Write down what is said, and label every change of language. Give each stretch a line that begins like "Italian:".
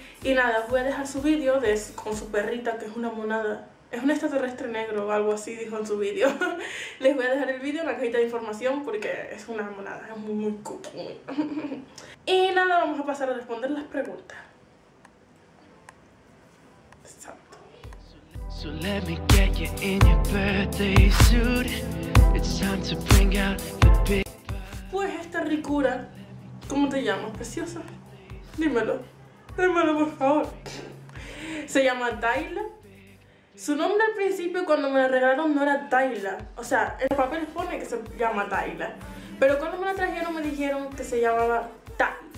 Spanish: Y nada, voy a dejar su vídeo de con su perrita, que es una monada. Es un extraterrestre negro o algo así, dijo en su vídeo. Les voy a dejar el vídeo en la cajita de información porque es una monada, es muy muy cucu. Y nada, vamos a pasar a responder las preguntas. Exacto.
English: So let me get you in your birthday suit. It's time to bring out the big...
Spanish: Pues esta ricura, ¿cómo te llamas, preciosa? Dímelo por favor. Se llama Taylor. Su nombre al principio, cuando me la regalaron, no era Taylor. O sea, en los papeles pone que se llama Taylor. Pero cuando me la trajeron me dijeron que se llamaba Tai.